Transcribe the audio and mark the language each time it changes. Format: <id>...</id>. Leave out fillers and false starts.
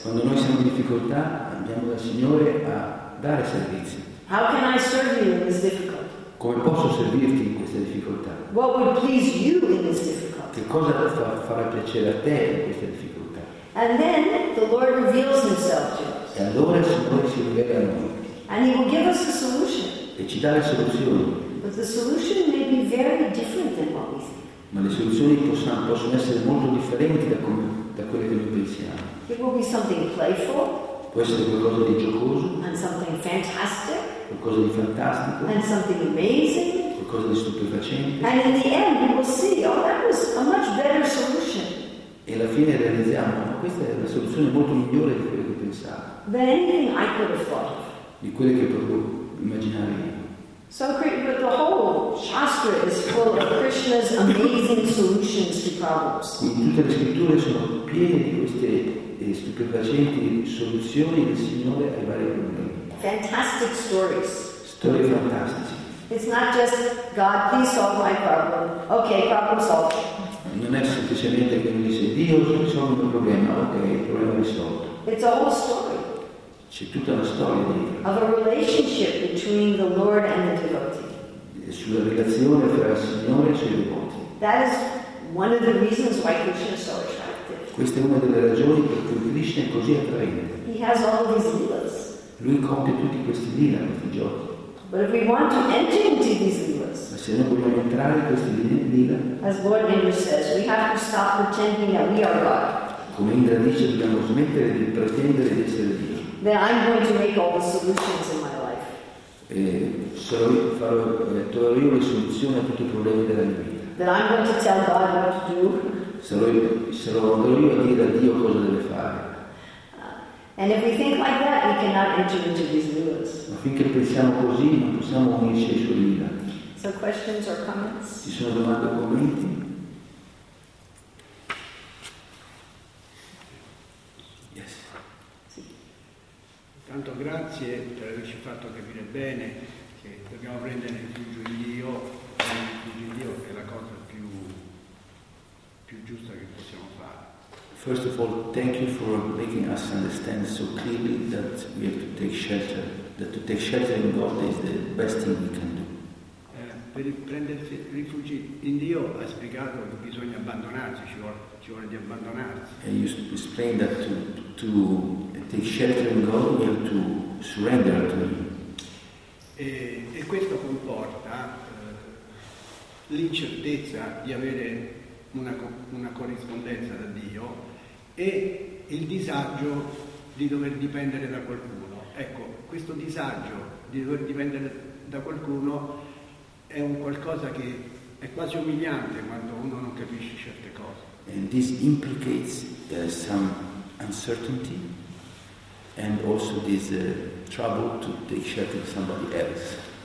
<it>Quando noi siamo in difficoltà, andiamo dal Signore a dare servizio.</it> <en>How can I serve you in this difficulty?</en> <it>Come posso servirti in questa difficoltà?</it> <en>What would please you in this difficulty?</en> <it>Che cosa farà piacere a te in questa difficoltà?</it> <en>And then the Lord reveals Himself to us.</en> <it>E allora il Signore si rivela a noi.</it> <en>And He will give us a solution.</en> <it>E ci dà la soluzione.</it> <en>But the solution may be very different than what we think.</en> <it>Ma le soluzioni possono essere molto differenti da quelle che noi pensiamo.</it> <en>It be something playful.</en> <it>Può essere qualcosa di giocoso.</it> <en>And something fantastic.</en> <it>Qualcosa di fantastico.</it> <en>And something amazing.</en> <it>Qualcosa di stupefacente.</it> <en>And in the end we will see, oh, that was a much better solution.</en> <it>E alla fine realizziamo, ma questa è una soluzione molto migliore di quello che pensavo.</it> <en>Than anything I could have thought.</en> <it>Di quello che potevo immaginare io.</it> <en>So, but the whole Shastra is full of Krishna's amazing solutions to problems.</en> <it>Quindi tutte le scritture sono piene di queste stupefacenti soluzioni del Signore ai vari problemi.</it> <en>Fantastic stories.</en> <it>Storie fantastiche.</it> <en>It's not just God, please solve my problem. Okay, problem solved.</en> <it>Non è semplicemente che uno dice Dio risolve il problema, ok, il problema è risolto.</it> <en>It's a whole story.</en> <it>C'è tutta una storia dietro.</it> <en>Of a relationship between the Lord and the devotee.</en> <it>Sulla relazione tra il Signore e i suoi devoti.</it> <en>That is one of the reasons why Krishna is so attractive.</en> <it>Questa è una delle ragioni per cui Krishna è così attraente.</it> <en>He has all these leelas.</en> <it>Lui compie tutti questi leela, questi giochi.</it> <en>But if we want to enter into these leelas,</en> <it>ma se noi vogliamo entrare in questi leela,</it> <en>as Lord Indra says, we have to stop pretending that we are God.</en> <it>Come Indra dice, dobbiamo smettere di pretendere di essere Dio.</it> <en>Then I'm going to make all the solutions in my life.</en> <it>Sarò io le soluzioni a tutti i problemi della mia vita.</it> <en>Then I'm going to tell God what to do.</en> <it>Sarò io a dire a Dio cosa deve fare.</it> <en>And if we think like that, we cannot enter into these leelas.</en> <it>Ma finché pensiamo così, non possiamo unirci ai suoi leela.</it> <en>So questions or comments?</en> <it>Ci sono domande o commenti? Tanto grazie per averci fatto capire bene che dobbiamo prendere il rifugio in Dio è la cosa più giusta che possiamo fare.</it> <en>First of all, thank you for making us understand so clearly that we have to take shelter, that to take shelter in God is the best thing we can do.</en> <it>Per prendersi rifugio in Dio ha spiegato che bisogna abbandonarsi, ci vuole di abbandonarsi.</it> <en>And you explained that to take shelter in God, we have to surrender to Him.</en> <it>E questo comporta l'incertezza di avere una corrispondenza da Dio e il disagio di dover dipendere da qualcuno. Ecco, questo disagio di dover dipendere da qualcuno è un qualcosa che è quasi umiliante quando uno non capisce certe cose.</it> <en>And this implicates some uncertainty and also this trouble to take shelter of somebody else.</en>